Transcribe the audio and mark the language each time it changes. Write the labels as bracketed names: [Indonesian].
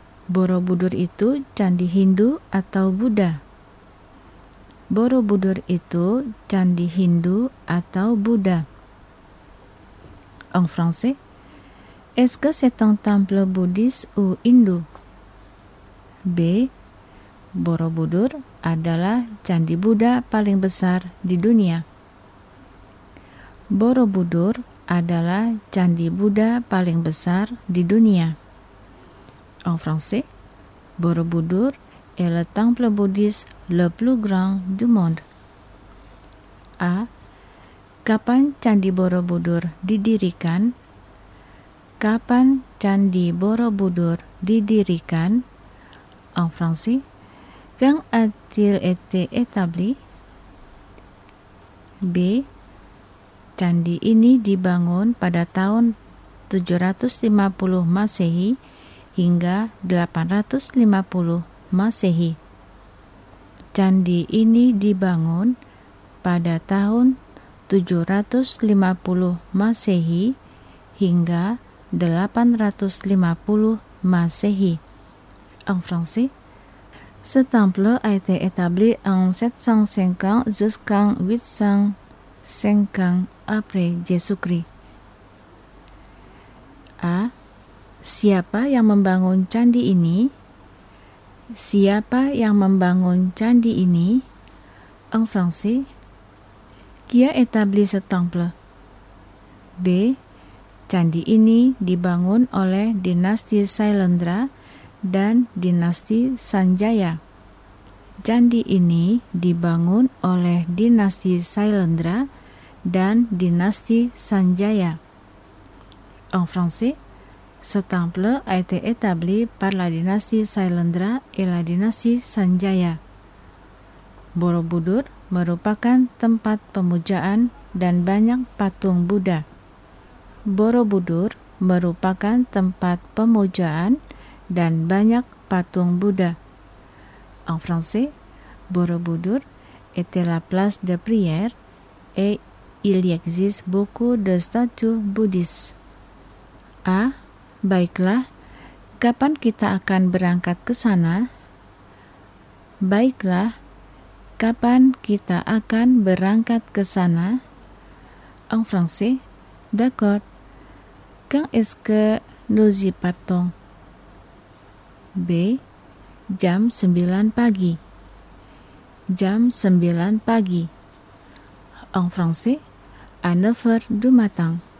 [Indonesian] Borobudur itu candi Hindu atau Buddha? Borobudur itu candi Hindu atau Buddha? [French] En français, est-ce que c'est un temple bouddhiste ou hindou? B. [Indonesian] Borobudur adalah candi Buddha paling besar di dunia. Borobudur adalah candi Buddha paling besar di dunia. [French] En français, Borobudur est le temple bouddhiste le plus grand du monde. A. [Indonesian] Kapan candi Borobudur didirikan? Kapan candi Borobudur didirikan? [French] En français, quand a-t-il été établi? [Indonesian] B. Candi ini dibangun pada tahun 750 Masehi hingga 850 Masehi. Candi ini dibangun pada tahun 750 Masehi hingga 850 Masehi. [French] En français, ce temple a été établi en 750 jusqu'en 850 après Jésus-Christ. A. [Indonesian] Siapa yang membangun candi ini? Siapa yang membangun candi ini? [French] En français, qui a établi ce temple? B. [Indonesian] Candi ini dibangun oleh dinasti Sailendra dan dinasti Sanjaya. Candi ini dibangun oleh dinasti Sailendra dan dinasti Sanjaya. [French] En français, ce temple a été établi par la dynastie Sailendra et la dynastie Sanjaya. [Indonesian] Borobudur merupakan tempat pemujaan dan banyak patung Buddha. Borobudur merupakan tempat pemujaan dan banyak patung Buddha. [French] En français, Borobudur était la place de prière et il existe beaucoup de statues bouddhistes. A. [Indonesian] Baiklah, kapan kita akan berangkat ke sana? Baiklah, kapan kita akan berangkat ke sana? [French] En français, d'accord. Quand est-ce que nous y partons? [Indonesian] B. Jam 9 pagi. Jam 9 pagi. [French] En français, à 9h du matin.